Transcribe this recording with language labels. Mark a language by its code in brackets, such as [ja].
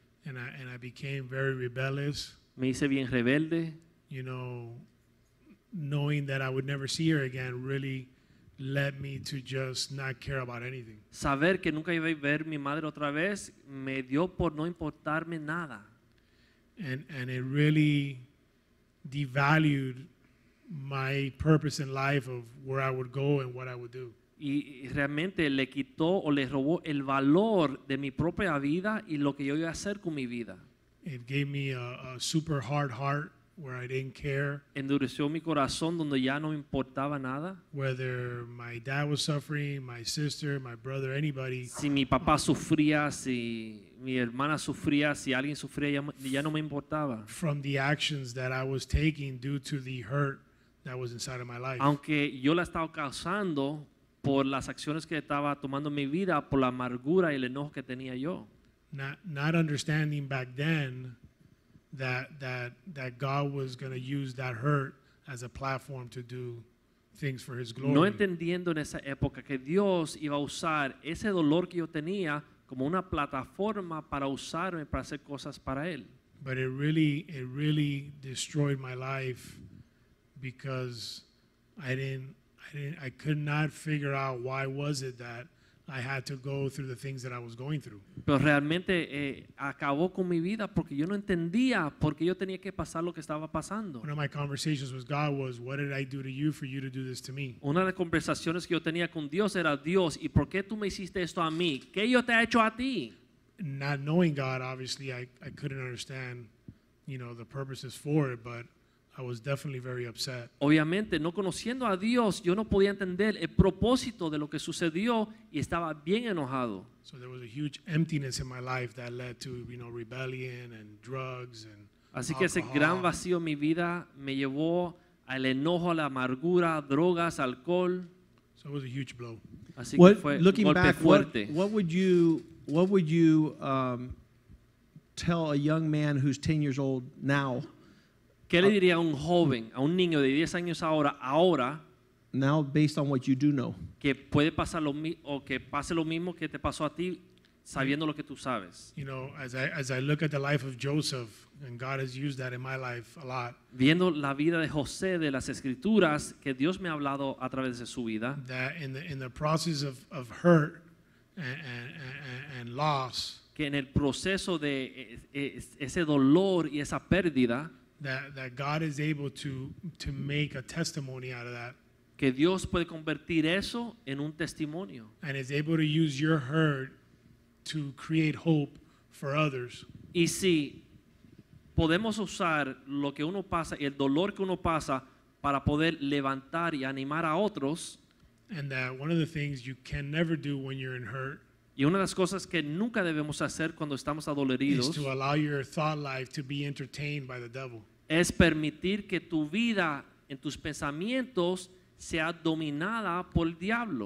[en] And I became very rebellious. [es] Me hice bien rebelde. [en] You know, knowing that I would never see her again really led me to just not care about anything. [es] Saber que nunca iba a ver mi madre otra vez me dio por no importarme nada. [en] And it really devalued my purpose in life of where I would go and what I would do. [es] Y realmente le quitó o le robó el valor de mi propia vida y lo que yo iba a hacer con mi vida. [en] It gave me a super hard heart where I didn't care. [es] Endureció mi corazón donde ya no importaba nada. [en] Whether my dad was suffering, my sister, my brother, anybody. [es] Si mi papá sufría, si mi hermana sufría, si alguien sufría, ya no me importaba. [en] From the actions that I was taking due to the hurt that was inside of my life. [es] Aunque yo la estaba causando por las acciones que estaba tomando en mi vida, por la amargura y el enojo que tenía yo. [en] Not understanding back then that God was going to use that hurt as a platform to do things for his glory. [es] No entendiendo en esa época que Dios iba a usar ese dolor que yo tenía como una plataforma para usarme para hacer cosas para él. [en] But it really destroyed my life because I could not figure out why was it that I had to go through the things that I was going through. [es] Pero realmente acabó con mi vida porque yo no entendía por qué yo tenía que pasar lo que estaba pasando. [en] One of my conversations with God was, "What did I do to you for you to do this to me?" [es] Una de las conversaciones que yo tenía con Dios era, Dios, ¿y por qué tú me hiciste esto a mí? ¿Qué yo te he hecho a ti? [en] Not knowing God, obviously, I couldn't understand, you know, the purposes for it, but I was definitely very upset. [es] Obviamente, no conociendo a Dios, yo no podía entender el propósito de lo que sucedió y estaba bien enojado. [en] So there was a huge emptiness in my life that led to, you know, rebellion and drugs and alcohol. [es] Así que ese gran vacío en mi vida me llevó al enojo, a la amargura, drogas, alcohol. [en] So it was a huge blow. [es] Así [en] what, [es] que fue [en] looking [es] golpe [en] back, [es] fuerte. [en] What would you tell a young man who's 10 years old now? [es] ¿Qué le diría a un joven, a un niño de 10 años ahora? [en] Now, based on what you do know. [es] Que puede pasar lo mismo o que pase lo mismo que te pasó a ti, sabiendo lo que tú sabes. [en] You know, as I look at the life of Joseph, and God has used that in my life a lot. [es] Viendo la vida de José de las escrituras que Dios me ha hablado a través de su vida. [en] That in the process of hurt and loss. [es] Que en el proceso de ese dolor y esa pérdida. [en] That God is able to make a testimony out of that. [es] Que Dios puede convertir eso en un testimonio. [en] And is able to use your hurt to create hope for others. [es] Y si podemos usar lo que uno pasa y el dolor que uno pasa para poder levantar y animar a otros. [en] And that one of the things you can never do when you're in hurt. [es] Y una de las cosas que nunca debemos hacer cuando estamos adoloridos [en] is to allow your thought life to be entertained by the devil. [es] Es permitir que tu vida en tus pensamientos sea dominada por el diablo.